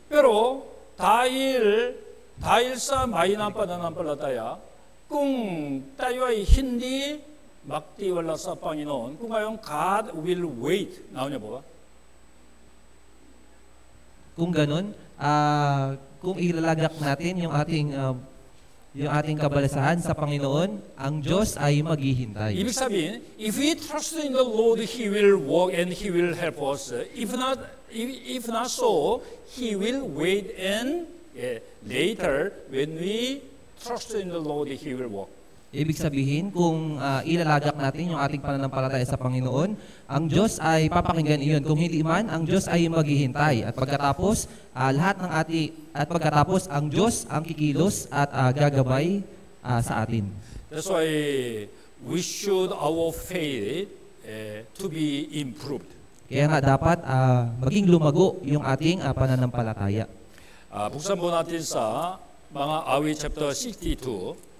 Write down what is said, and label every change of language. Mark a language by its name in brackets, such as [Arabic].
[Filipino] Pero, dahil sa mahinang pananampalataya, kung tayo ay hindi magtiwala sa Panginoon, kung ngayon [English] God will wait. [Filipino] Naunyo po ba? Kung ganun, kung ilalagak natin yung ating kabalasahan sa Panginoon, ang Diyos ay maghihintay. Ibig sabihin, [English] if we trust in the Lord, He will walk and He will help us. If not so, He will wait and later when we trust in the Lord, He will walk. [Filipino] Ibig sabihin, kung ilalagak natin yung ating pananampalataya sa Panginoon, ang Diyos ay papakinggan iyon. Kung hindi man, ang Diyos ay maghihintay. At pagkatapos, ang Diyos ang kikilos at gagabay sa atin. [English] That's why we should our faith to be improved. [Filipino] Kaya nga dapat maging lumago yung ating pananampalataya. Buksan po natin sa mga awit chapter 62.